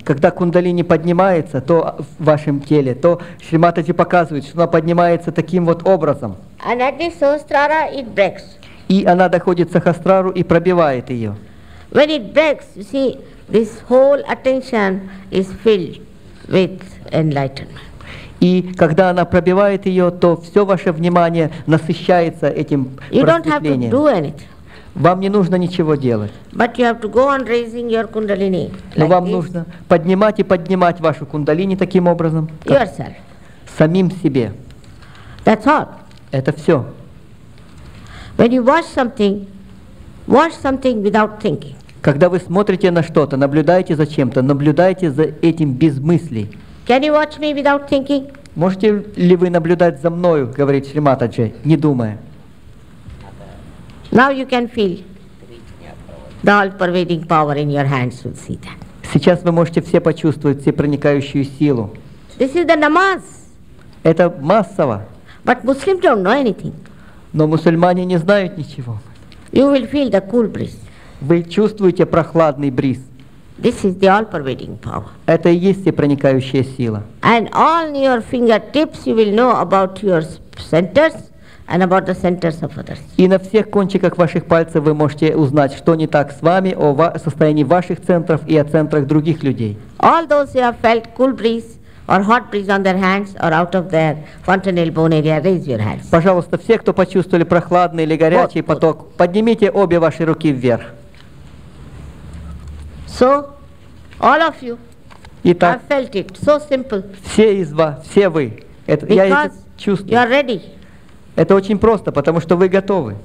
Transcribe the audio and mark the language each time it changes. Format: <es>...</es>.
<ru>Когда кундалини поднимается, то в вашем теле, то Шри Матаджи показывает, что она поднимается таким вот образом.</ru> <en>And at the sahasrara it breaks.</en> <ru>И она доходит к сахасрару и пробивает ее.</ru> <en>When it breaks, you see, this whole attention is filled with enlightenment.</en> <ru>И когда она пробивает ее, то все ваше внимание насыщается этим</ru> <en>you</en> <ru>просветлением.</ru> <en>Don't have to do anything.</en> <ru>Вам не нужно ничего делать.</ru> <en>But you have to go on raising your kundalini.</en> <ru>Но вам</ru> <en>this.</en> <ru>Нужно поднимать и поднимать вашу кундалини таким образом.</ru> <en>Yourself.</en> <ru>Самим себе.</ru> <en>That's all.</en> <ru>Это все.</ru> <en>When you watch something, Watch something without thinking.</en> <ru>Когда вы смотрите на что-то, наблюдаете за чем-то, наблюдаете за этим без мыслей.</ru> <en>Can you watch me without thinking?</en> <ru>Можете ли вы наблюдать за мною, говорит Шри Матаджи, не думая?</ru> <en>Now you can feel the all-pervading power in your hands, you'll see that.</en> <ru>Сейчас вы можете все почувствовать все проникающую силу.</ru> <en>This is the namaz.</en> <ru>Это массово.</ru> <en>But Muslims don't know anything.</en> <ru>Но мусульмане не знают ничего.</ru> <en>You will feel the cool breeze.</en> <ru>Вы чувствуете прохладный бриз.</ru> <en>This is the all-pervading power.</en> <ru>Это и есть все проникающая сила.</ru> <en>And all your fingertips you will know about your centers. And about the centers of others.</en> <ru>И на всех кончиках ваших пальцев вы можете узнать, что не так с вами, о состоянии ваших центров и о центрах других людей.</ru> <en>All those who have felt cool breeze or hot breeze on their hands or out of their fontanel bone area, raise your hands.</en> <ru>Пожалуйста, все, кто почувствовали прохладный или горячий поток, поднимите обе ваши руки вверх.</ru> <en>So, all of you</en> <ru>Итак,</ru> <en>have felt it. So simple.</en> <ru>Все из вас, все вы, это,</ru> <en>Because</en> <ru>я это чувствую.</ru> <en>You are ready.</en> <ru>Это очень просто, потому что вы готовы.</ru>